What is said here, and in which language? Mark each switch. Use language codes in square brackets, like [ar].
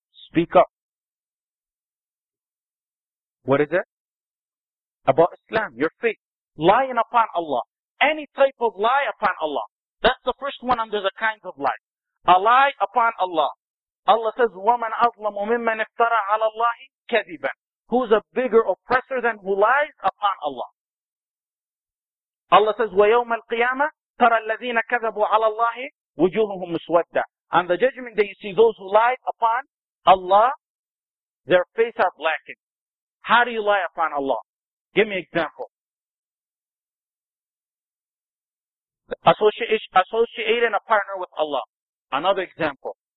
[en] Speak up. What is it? About Islam, your faith. Lying upon Allah. Any type of lie upon Allah. That's the first one under the kinds of lies. A lie upon Allah. Allah says, [ar] وَمَنْ أَظْلَمُ مِمَّنْ افْتَرَى عَلَى اللَّهِ كَذِبًا. [en] Who's a bigger oppressor than who lies upon Allah? Allah says, [ar] وَيَوْمَ الْقِيَامَةِ تَرَى الَّذِينَ كَذَبُوا عَلَى اللَّهِ وُجُوهُهُمْ مُسْوَدَّةِ. [en] On the judgment day, you see those who lie upon Allah, their face are blackened. How do you lie upon Allah? Give me an example. Associating a partner with Allah. Another example.